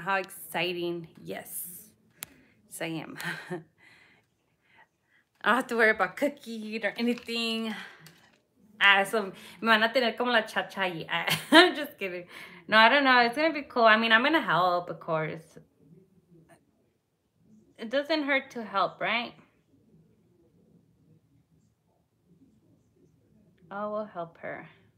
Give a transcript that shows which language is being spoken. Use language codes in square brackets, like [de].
[en] How exciting. Yes, I am. I don't have to worry about cooking or anything. [es] Me van a tener como la chacha ahí. [en] I'm just kidding. No, I don't know. It's going to be cool. I mean, I'm going to help, of course. It doesn't hurt to help, right? I will help her.